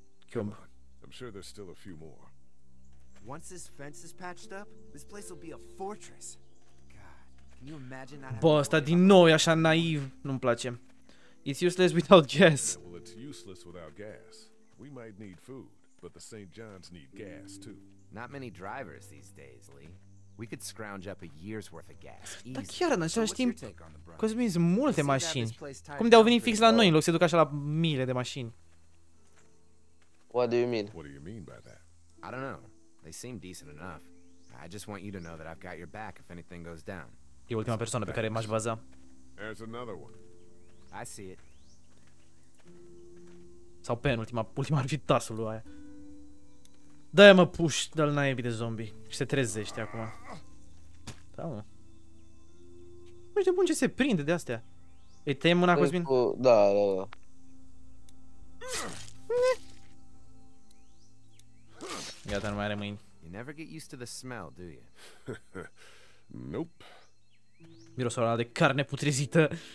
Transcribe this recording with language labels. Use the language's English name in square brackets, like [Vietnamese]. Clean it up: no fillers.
[English] Come on, I'm sure there's still a few more. Once this fence is patched up, this place will be a fortress. God, can you imagine that? [Romanian] Bă, ăsta din nou e așa naiv, nu-mi place. [English] It's useless without gas. Yeah, well, it's useless without gas. We might need food, but the St. John's need gas too. Not many drivers these days, Lee. We could scrounge up a year's worth of gas. [Romanian] Dar chiar în același timp, Cosmin's multe mașini. Cum de-au venit fix la noi, în loc să se ducă așa la mile de mașini? [English] What do you mean? What do you mean by that? I don't know. They seem decent enough. I just want you to know that I've got your back if anything goes down. [Romanian] E ultima persoană pe care m-aș baza. [English] There's another one. I see it. [Romanian] Sau penultima ar fi tasul lui aia. Dă-i mă push, dă-l naibii de zombie. Și se trezește acum. Da, mă. Nu știu bun ce se prinde de astea. Îi tăiem mâna, Cosmin? Da. Gata, nu mai are mâini. [English] You never get used to the smell, do you? Nope. [Romanian] Mirosul ăla de carne putrezită.